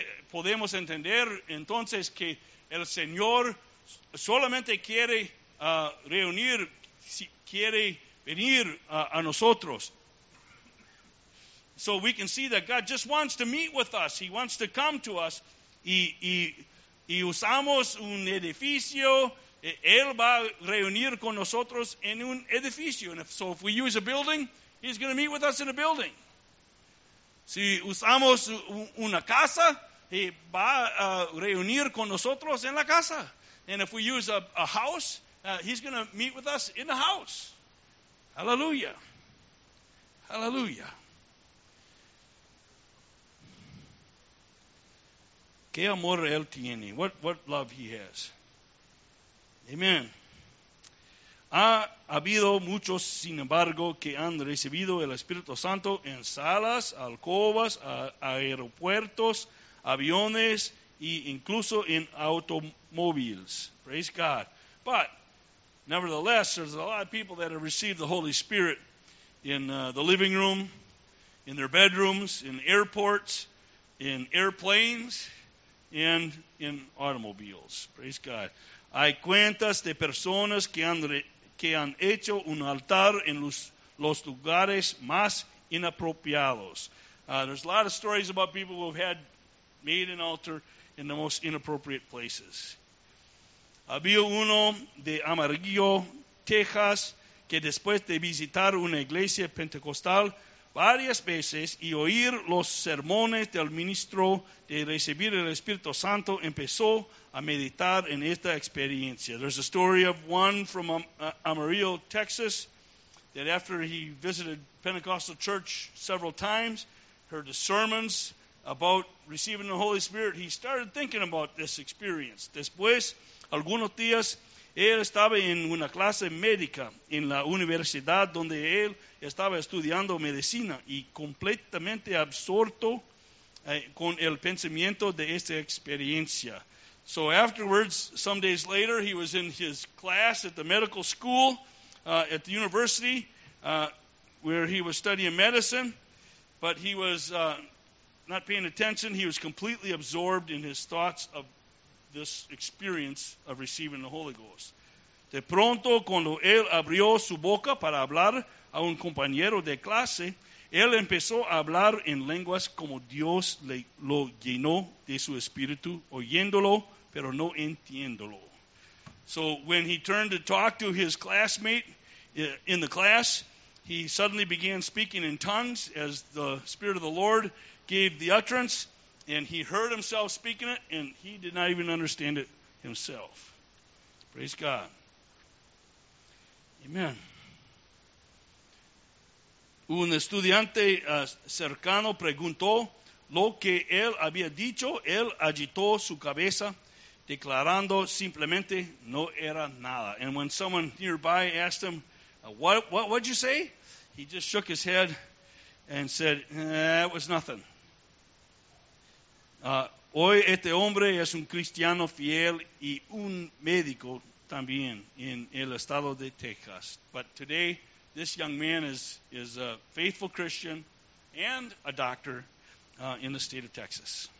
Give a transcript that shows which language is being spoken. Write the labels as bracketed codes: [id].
[es] Podemos entender entonces que el Señor solamente quiere reunir, quiere venir a nosotros. [en] So we can see that God just wants to meet with us. He wants to come to us. [es] Y usamos un edificio. Él va a reunir con nosotros en un edificio. [en] And if we use a building, He's going to meet with us in a building. [es] Si usamos una casa, He va a reunir con nosotros en la casa. [en] And if we use a house, He's going to meet with us in the house. Hallelujah. Hallelujah. [es] Qué amor él tiene. [en] What love he has. Amen. [es] Ha habido muchos, sin embargo, que han recibido el Espíritu Santo en salas, alcobas, aeropuertos, aviones, e incluso en automóviles. [en] Praise God. But, nevertheless, there's a lot of people that have received the Holy Spirit in the living room, in their bedrooms, in airports, in airplanes, and in automobiles. Praise God. [es] Hay cuentas de personas que han hecho un altar en los lugares más inapropiados. [en] There's a lot of stories about people who have made an altar in the most inappropriate places. [es] Había uno de Amarillo, Texas, que después de visitar una iglesia pentecostal varias veces y oír los sermones del ministro de recibir el Espíritu Santo, empezó a meditar en esta experiencia. [en] There's a story of one from Amarillo, Texas, that after he visited Pentecostal church several times, heard the sermons about receiving the Holy Spirit, he started thinking about this experience. [es] Después, algunos días, él estaba en una clase médica en la universidad donde él estaba estudiando medicina y completamente absorto con el pensamiento de esta experiencia. [en] So afterwards, some days later, he was in his class at the medical school at the university where he was studying medicine, but he was not paying attention. He was completely absorbed in his thoughts of this experience of receiving the Holy Ghost. [es] De pronto, cuando él abrió su boca para hablar a un compañero de clase, él empezó a hablar en lenguas como Dios lo llenó de su espíritu, oyéndolo, pero no entiéndolo. [en] So when he turned to talk to his classmate in the class, he suddenly began speaking in tongues as the Spirit of the Lord gave the utterance, and he heard himself speaking it, and he did not even understand it himself. Praise God. Amen. [es] Un estudiante cercano preguntó lo que él había dicho. Él agitó su cabeza, declarando simplemente, no era nada. [en] And when someone nearby asked him, what'd you say? He just shook his head and said, it was nothing. [es] Hoy este hombre es un cristiano fiel y un médico también en el estado de Texas. [en] But today, this young man is a faithful Christian and a doctor in the state of Texas.